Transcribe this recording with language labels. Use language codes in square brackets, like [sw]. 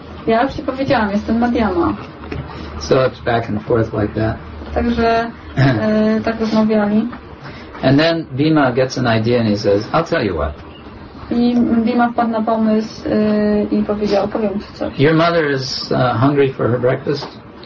[pl] Ja już ci powiedziałam, jestem Madhyama. [en] So it's back and forth like that. [pl] Także tak rozmawiali. [en] And then Bhima gets an idea and he says, I'll tell you what. [pl] I Bhima wpadł na pomysł i powiedział, powiem ci coś. [en] Your mother is hungry for her breakfast.